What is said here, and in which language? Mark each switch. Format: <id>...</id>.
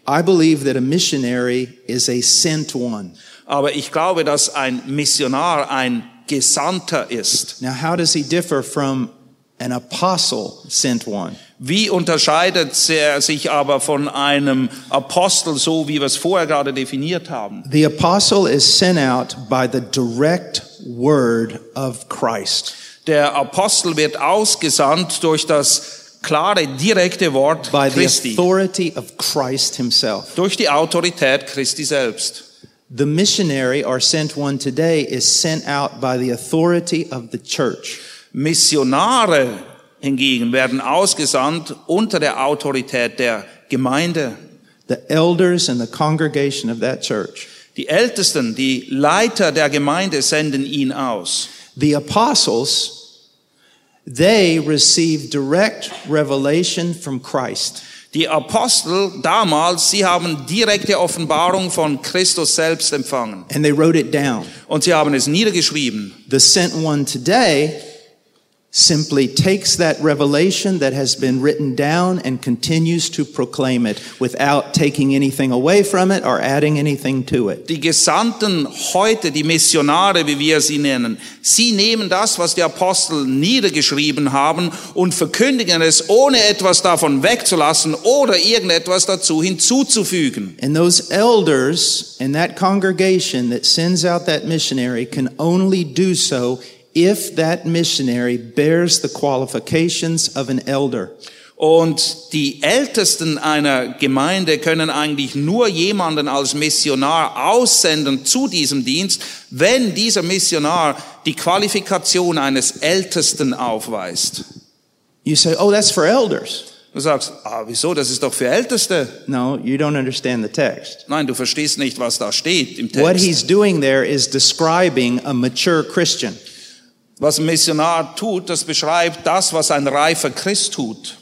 <en>I believe that a missionary is a sent one.</en> <de>Aber ich glaube, dass ein Missionar ein Gesandter ist.</de> <en>Now how does he differ from an apostle sent one?</en> <de>Wie unterscheidet er sich aber von einem Apostel, so wie wir es vorher gerade definiert haben?</de> <en>The apostle is sent out by the direct word of Christ.</en> <de>Der Apostel wird ausgesandt durch das klare, direkte Wort by Christi.</de> <en>The authority of Christ himself.</en> <de>Durch die Autorität Christi selbst.</de> <en>The missionary or sent one today is sent out by the authority of the church.</en> <de>Missionare hingegen werden ausgesandt unter der Autorität der Gemeinde.</de> <en>The elders and the congregation of that church.</en> <de>Die Ältesten, die Leiter der Gemeinde senden ihn aus.</de> <en>The apostles, they receive direct revelation from Christ.</en> <de>Die Apostel damals, sie haben direkte Offenbarung von Christus selbst empfangen.</de> <en>And they wrote it down.</en> <de>Und sie haben es niedergeschrieben.</de> <en>The sent one today simply takes that revelation that has been written down and continues to proclaim it without taking anything away from it or adding anything to it.</en> <de>Die Gesandten heute, die Missionare, wie wir sie nennen, sie nehmen das, was die Apostel niedergeschrieben haben und verkündigen es, ohne etwas davon wegzulassen oder irgendetwas dazu hinzuzufügen.</de> <en>And those elders in that congregation that sends out that missionary can only do so if that missionary bears the qualifications of an elder.</en> <de>Und die Ältesten einer Gemeinde können eigentlich nur jemanden als Missionar aussenden zu diesem Dienst, wenn dieser Missionar die Qualifikation eines Ältesten aufweist.</de> <en>You say, oh, that's for elders.</en> <de>Du sagst, ah, wieso, das ist doch für Älteste.</de> <en>No, you don't understand the text.</en> <de>Nein, du verstehst nicht, was da steht im Text.</de> <en>What he's doing there is describing a mature Christian.</en> <de>Was ein Missionar tut, das beschreibt das, was ein reifer Christ tut.</de>